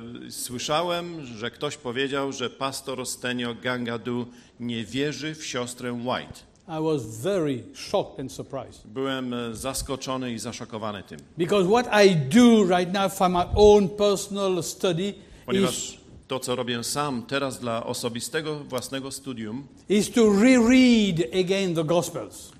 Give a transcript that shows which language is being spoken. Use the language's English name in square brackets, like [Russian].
[Polish] Słyszałem, że ktoś powiedział, że Pastor Stenio Gangadu nie wierzy w siostrę White. [English] I was very shocked and surprised. [Polish] Byłem zaskoczony i zaszokowany tym. [English] Because what I do right now for my own personal study [Polish] ponieważ is to, co robię sam teraz dla osobistego własnego studium, [English] is to reread again the Gospels.